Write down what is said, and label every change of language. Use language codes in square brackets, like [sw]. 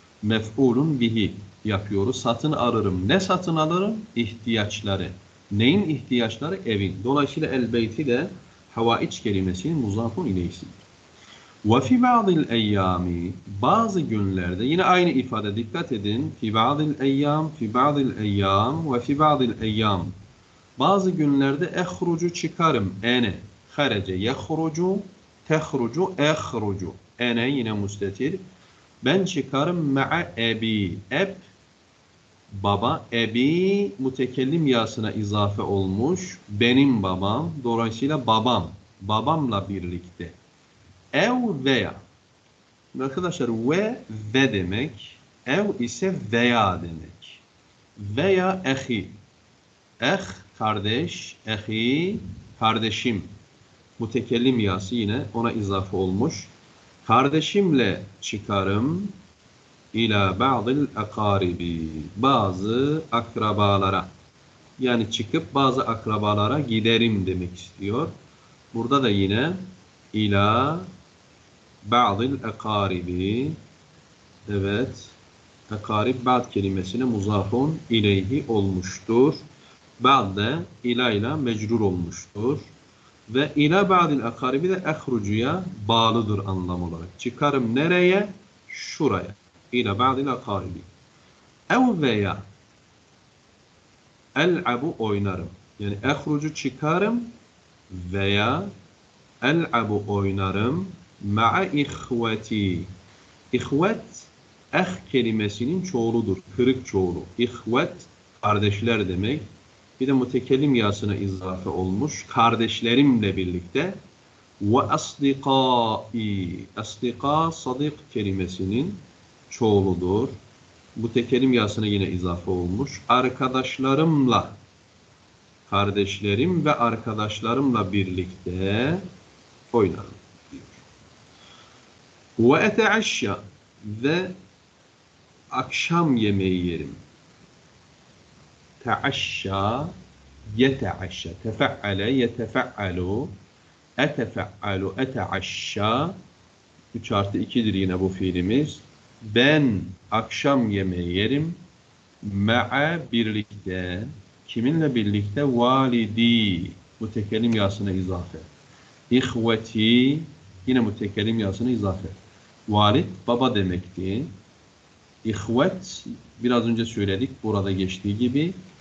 [tr] Mef'ulun bihi yapıyoruz. Satın alırım. Ne satın alırım? İhtiyaçları. Neyin ihtiyaçları? Evin. Dolayısıyla elbeyti de havaic kelimesinin muzafun ileyhisidir. [ar] وَفِي بَعْضِ الْاَيَّامِ [tr] Bazı günlerde, yine aynı ifade, dikkat edin. [ar] فِي بَعْضِ الْاَيَّامِ فِي بَعْضِ الْاَيَّامِ وَفِي بَعْضِ الْاَيَّامِ [tr] Bazı günlerde [ar] اَخْرُجُ çıkarım. اَنَ خَرَجَ يَخْرُجُ تَخْرُجُ اَخْرُجُ اَنَ [tr] yine müstetir. Ben çıkarım [ar] مَعَ اَب۪ي [tr] اَب baba, ebi mütekellim yasına izafe olmuş. Benim babam, dolayısıyla babam, babamla birlikte. Ev veya, arkadaşlar ve ve demek, ev ise veya demek. Veya ehi, eh kardeş, ehi kardeşim. Mütekellim yası yine ona izafe olmuş. Kardeşimle çıkarım [ar] ila ba'dil akaribi, [tr] bazı akrabalara. Yani çıkıp bazı akrabalara giderim demek istiyor. Burada da yine ila [ar] بَعْضِ الْاَقَارِبِ [tr] Evet, اَقَارِب بَعْد kelimesine muzafun ileyhi olmuştur. بَعْد de ila ile mecrur olmuştur. Ve ila [ar] بَعْضِ الْاَقَارِبِ [tr] de اَخْرُجُ'ya bağlıdır anlam olarak. Çıkarım nereye? Şuraya. İlâ [ar] بَعْضِ الْاَقَارِبِ اَوْ [tr] veya اَلْعَبُ oynarım. Yani اَخْرُجُ çıkarım veya اَلْعَبُ oynarım. [ar] مَعَ اِخْوَتِ [tr] İhvet, eh kelimesinin çoğuludur, kırık çoğulu. İhvet, kardeşler demek. Bir de mütekellim yasına izafe olmuş. Kardeşlerimle birlikte. [ar] وَاَصْدِقَاءِ اَصْدِقَاء, [tr] sadık kelimesinin çoğuludur. Mütekellim yasına yine izafe olmuş. Arkadaşlarımla, kardeşlerim ve arkadaşlarımla birlikte oynarım. وَاَتَعَشَّ ve akşam yemeği yerim. [ar] تَعَشَّ يَتَعَشَّ تَفَعَّلَ يَتَفَعَّلُ اَتَفَعَّلُ اَتَعَشَّ [tr] 3 artı 2'dir yine bu fiilimiz. Ben akşam yemeği yerim. مَعَ birlikte. Kiminle birlikte? وَالِد۪ي mütekellim yasına izafe. اِخْوَت۪ي yine mütekellim yasına izafe. Valid, baba demekti. İhvet, biraz önce söyledik, burada geçtiği gibi.